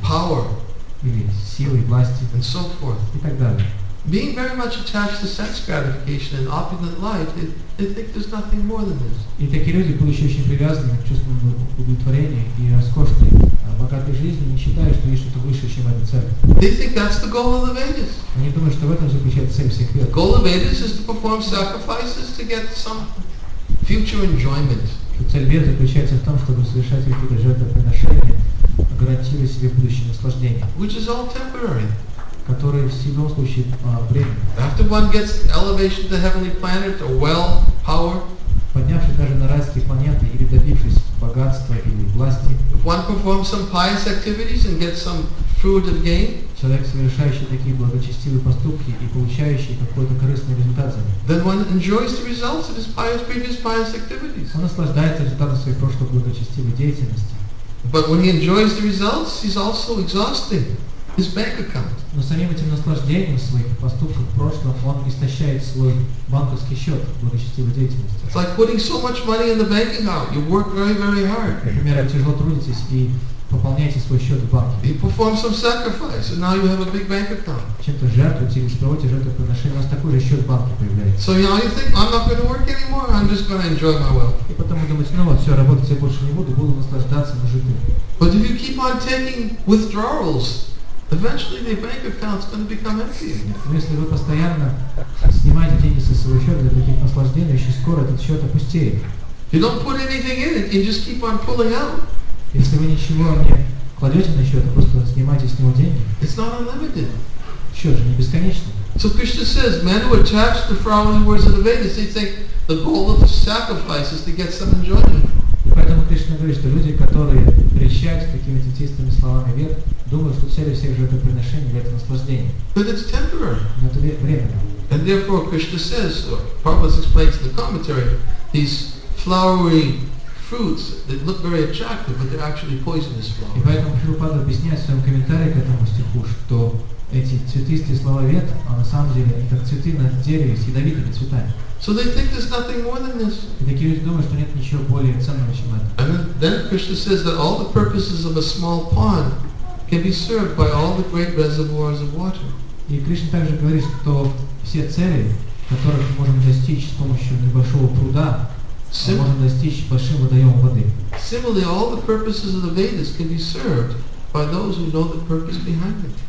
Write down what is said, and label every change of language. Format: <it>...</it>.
<en>Power.</en> <ru>Или силы, власти,</ru> <en>and so forth.</en> <ru>И так далее.</ru> <en>Being very much attached to sense gratification and opulent life, they think there's nothing more than this.</en> <ru>И такие люди, будучи очень привязанными к чувству удовлетворения и роскошной, богатой жизни, не считают, что есть что-то выше, чем эта цель.</ru> <en>They think that's the goal of the Vedas.</en> <ru>Они думают, что в этом заключается цель всех Вед.</ru> <en>The goal of Vedas is to perform sacrifices to get some future enjoyment.</en> <ru>Цель Вед заключается в том, чтобы совершать какие-то жертвоприношения, гарантируя себе будущее наслаждение.</ru> <en>Which is all temporary.</en> <ru>Которые в любом случае временны.</ru> <en>After one gets elevation to the heavenly planet or wealth, power,</en> <ru>поднявшись даже на райские планеты или добившись богатства или власти,</ru> <en>if one performs some pious activities and gets some fruit of gain,</en> <ru>человек, совершающий такие благочестивые поступки и получающий какой-то корыстный результат за них,</ru> <en>then one enjoys the results of his pious, previous pious activities.</en> <ru>Он наслаждается результатом своей прошлой благочестивой деятельности.</ru> <en>But when he enjoys the results, he's also exhausting his bank account.</en> <ru>Но самим этим наслаждением своих поступков в прошлом он истощает свой банковский счет благочестивой деятельности.</ru> <en>It's like putting so much money in the bank account. You work very, very hard.</en> <ru>Например, тяжело трудитесь и пополняете свой счет в банке.</ru> <en>You perform some sacrifice, and now you have a big bank account.</en> <ru>Чем-то жертвуете или строите жертвоприношение, у вас такой же счет в банке появляется.</ru> <en>So now you think, I'm not going to work anymore. I'm just going to enjoy my wealth.</en> <ru>И потом вы думаете, ну вот все, работать я больше не буду, буду наслаждаться нажитым.</ru> <en>But if you keep on taking withdrawals, eventually the bank account is going to become empty.</en> <ru>Но если вы постоянно снимаете деньги со своего счета для таких наслаждений, очень скоро этот счет опустеет.</ru> <en>You don't put anything in it, you just keep on pulling out.</en> <ru>Если вы ничего не кладете на счет, а просто снимаете с него деньги,</ru> <en>it's not unlimited.</en> <ru>Счет же не бесконечный.</ru> <en>So Krishna says, men who attach the flowery words of the Vedas, they think the goal of the sacrifice is to get some enjoyment.</en> <ru>Поэтому Кришна говорит, что люди, которые прещаются такими тетистыми словами Вед, думают, что цель всех жертвоприношений – это наслаждение.</ru> <en>But it's temporary.</en> <ru>Но это временно.</ru> <en>And therefore Krishna says, Prabhupada explains in the commentary, these flowery fruits that look very attractive, but they're actually poisonous flowers.</en> <ru>И поэтому Прабхупада объясняет в своем комментарии к этому стиху, что эти цветистые слова Вед, а на самом деле они как цветы на дереве с ядовитыми цветами.</ru> <en>So they think there's nothing more than this.</en> <ru>И такие люди думают, что нет ничего более ценного, чем это.</ru> <en>And then Krishna says that all the purposes of a small pond can be served by all the great reservoirs of water.</en> <ru>И Кришна также говорит, что все цели, которых мы можем достичь с помощью небольшого пруда, мы можем достичь большим водоемом воды.</ru> <en>Similarly, all the purposes of the Vedas can be served by those who know the purpose behind it.</en>